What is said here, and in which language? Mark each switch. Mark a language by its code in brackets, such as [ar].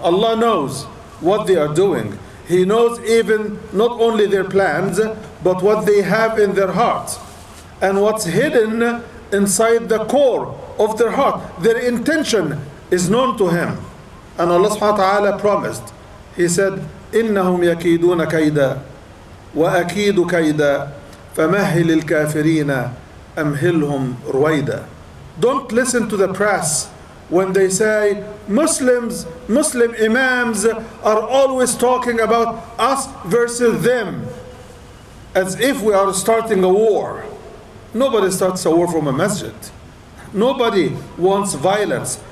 [en] Allah knows what they are doing. He knows even not only their plans, but what they have in their hearts and what's hidden inside the core of their heart. Their intention is known to Him. And Allah subhanahu wa ta'ala promised. He said, [ar] إِنَّهُمْ يَكِيدُونَ كَيْدًا وَأَكِيدُ كَيْدًا فَمَهِّلِ الْكَافِرِينَ أمهلهم رويدا. [en] Don't listen to the press when they say Muslims, Muslim imams are always talking about us versus them, as if we are starting a war. Nobody starts a war from a masjid. Nobody wants violence.